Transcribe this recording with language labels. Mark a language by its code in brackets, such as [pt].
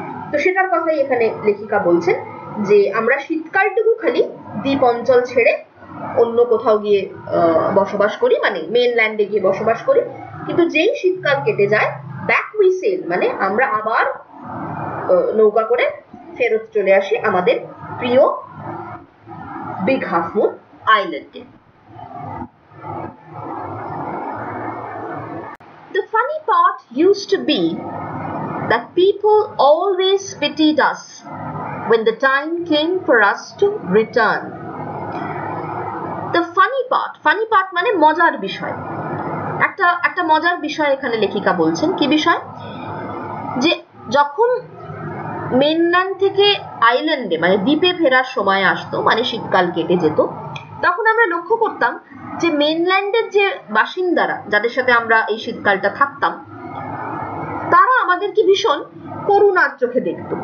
[bn] তো সেটার কথাই এখানে লেখিকা বলছেন যে আমরা শীতকালটুকু খালি দ্বীপ অঞ্চল ছেড়ে অন্য কোথাও গিয়ে বসবাস করি, মানে মেনল্যান্ডে গিয়ে বসবাস করি, কিন্তু যেই শীতকাল কেটে যায় [en] back we sail, [bn] মানে আমরা আবার নৌকা করে ফেরত চলে আসি আমাদের প্রিয় বিগ হাফ মুন আইল্যান্ডে। [en] The funny part used to be that people always pitied us when the time came for us to return. The funny part [bn] মানে মজার বিষয়, একটা একটা মজার বিষয় এখানে লেখিকা বলছেন। কি বিষয়? যে যখন মেনল্যান্ড থেকে আইল্যান্ডে মানে দ্বীপে ফেরার সময় আসতো, মানে শীতকাল কেটে যেত, তখন আমরা লক্ষ্য করতাম যে মেনল্যান্ডের যে বাসিন্দারা, যাদের সাথে আমরা এই শীতকালটা থাকতাম, তারা আমাদেরকে ভীষণ করুণার চোখে দেখতো।